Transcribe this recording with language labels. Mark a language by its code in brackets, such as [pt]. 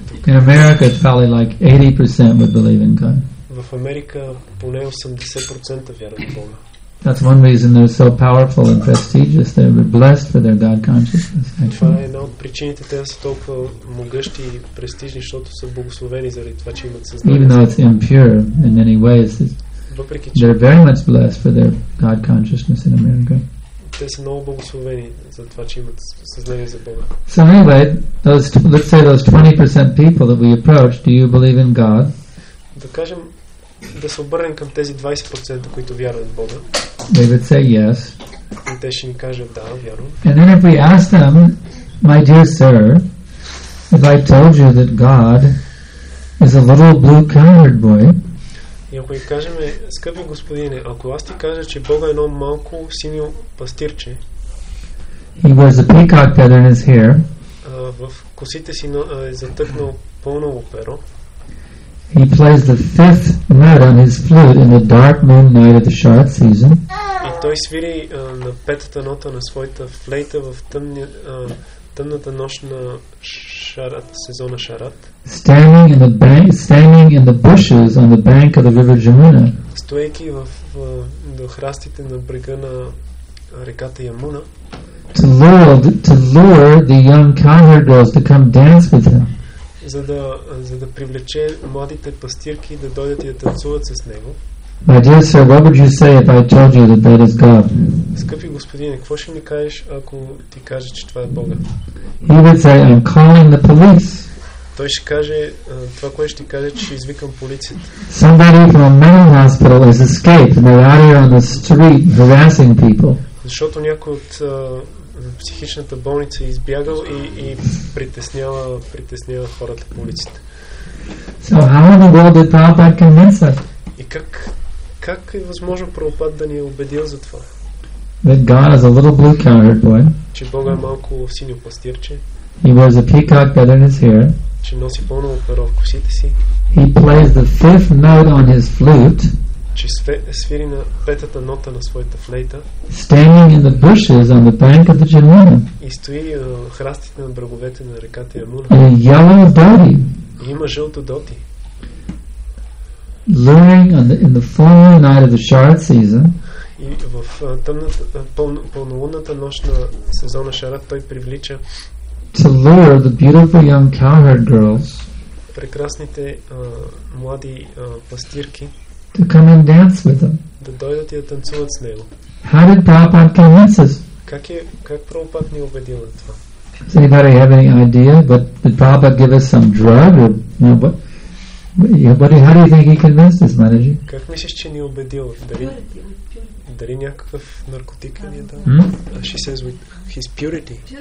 [en] In America, it's probably like 80% would believe in God. [bg] В Америка поне 80% вярват в Бога. [en] That's one reason they're so powerful and prestigious. They were blessed for their God consciousness. [bg] Това е една от причините те са толкова могъщи и престижни, защото са благословени заради това, че имат съзнание. [en] Even though it's impure in many ways, they're very much blessed for their God consciousness in America. [bg] Те са много благословени за това, че имат съзнание за Бога. [en] So anyway, let's say those 20% people that we approach, do you believe in God? [bg] Да кажем, да се обърнем към тези 20%, които вярват в Бога. [en] They would say yes. [bg] И те ще ни кажат да, вярвам. [en] And then if we ask them, my dear sir, if I told you that God is a little blue colored boy, [bg] и ако ви кажем, скъпи господине, ако аз ти кажа, че Бог е едно малко синьо пастирче, [en] he wears a peacock feather in his hair, [bg] в косите си е затъкнал пълно перо, [en] he plays the fifth note on his flute in the dark moon night of the Shrad season. [bg] И той свири на петата нота на своята флейта в тъмната нощ на Шарат, сезона Шарат. [en] Standing in the bushes on the bank of the river Jamuna. [bg] Стоейки в храстите на брега на реката Ямуна. [en] To lure the young cowherd girls to come dance with him. [bg] За да привлече младите пастирки да дойдат и да танцуват с него. [en] My dear sir, what would you say if I told you that that is God? [bg] Скъпи господине, какво ще ми кажеш, ако ти кажа, че това е Бога? [en] He would say, I'm calling the police. [bg] Той ще каже, това, което ще ти кажа, че извикам полицията. [en] Somebody from a mental hospital has escaped and they're out here on the street harassing people. [bg] Защото някой от психичната болница избягал и притеснява хората по улиците. [en] So how in the world did Prabhupada convince us? [bg] И как е възможно Прабхупад да ни е убедил за това? [en] That God is a little blue cowherd boy. [bg] Че Бог е малко синьо пастирче. [en] He wears a peacock feather in his hair. [bg] Че носи пълно перо в косите си. [en] He plays the fifth note on his flute. [bg] Че свири на петата нота на своята флейта. [en] Standing in the bushes on the bank of the Jamuna. [bg] И стои в храстите на бреговете на реката Ямуна. [en] A yellow dhoti. [bg] И има жълто доти. [en] Luring in the full moon night of the Sharad season. [bg] И в тъмната пълнолунната нощ на сезона Шарад той привлича. [en] To lure the beautiful young cowherd girls. [bg] Прекрасните млади пастирки. [en] To come and dance with them. [bg] Да дойдат и да танцуват с него. [en] How did Prabhupada convince us? [bg] Как Прабхупад ни убедил на това? [en] Does anybody have any idea? But did Prabhupada give us some drug? Or, you know, how do you think he convinced us, Maharaji? [bg] Как мислиш, че ни убедил? Дали някакъв наркотик ни е дал? [en] She says with his purity.